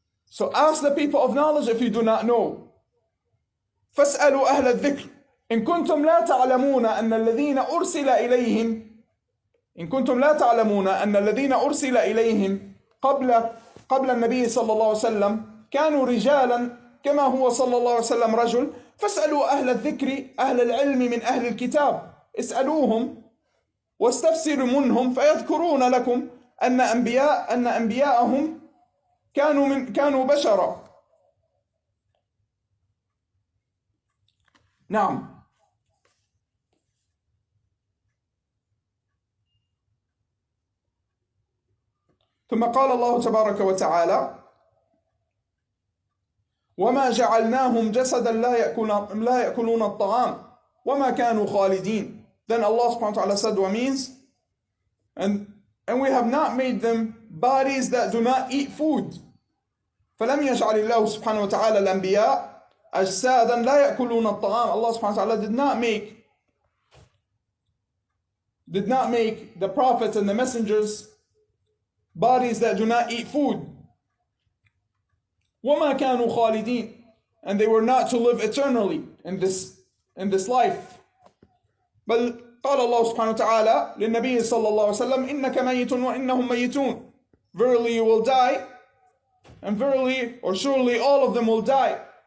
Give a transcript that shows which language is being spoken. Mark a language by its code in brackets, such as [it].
[en] So ask the people of knowledge if you do not know. [ar] فاسألوا أهل الذكر إن كنتم لا تعلمون أن الذين أرسل إليهم إن كنتم لا تعلمون أن الذين أرسل إليهم قبل النبي صلى الله عليه وسلم كانوا رجالا كما هو صلى الله عليه وسلم رجل. فاسألوا أهل الذكر, أهل العلم من أهل الكتاب, اسألوهم واستفسروا منهم فيذكرون لكم أن أنبياءهم كانوا بشرا. نعم. ثم قال الله تبارك وتعالى وما جعلناهم جسدا لا يأكلون الطعام وما كانوا خالدين. [en] Then Allah subhanahu wa ta'ala said what means, and we have not made them bodies that do not eat food. [ar] فلم يجعل الله سبحانه وتعالى الأنبياء أجسادا لا يأكلون الطعام. [en] Allah subhanahu wa ta'ala did not make the prophets and the messengers bodies that do not eat food. [ar] وما كانوا خالدين, [en] and they were not to live eternally in this life. [ar] بل قال الله سبحانه وتعالى للنبي صلى الله عليه وسلم إنك ميت وإنهم ميتون. [en] Verily you will die, and verily or surely all of them will die.